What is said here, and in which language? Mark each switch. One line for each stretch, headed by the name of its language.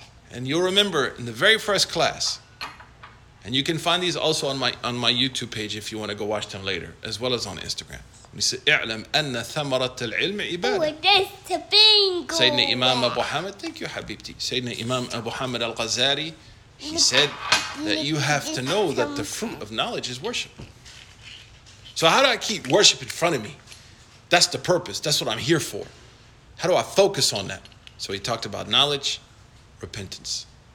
English: And you'll remember in the very first class, and you can find these also on my YouTube page if you want to go watch them later, as well as on Instagram. He said,
Arabic: اعلم أن ثمرة العلم عبادة.
English: Sayyidina Imam Abu Hamid, thank you, Habibti. Sayyidina Imam Abu Hamid al-Ghazari, he said that you have to know that the fruit of knowledge is worship. So how do I keep worship in front of me? That's the purpose. That's what I'm here for. How do I focus on that? So he talked about knowledge, repentance.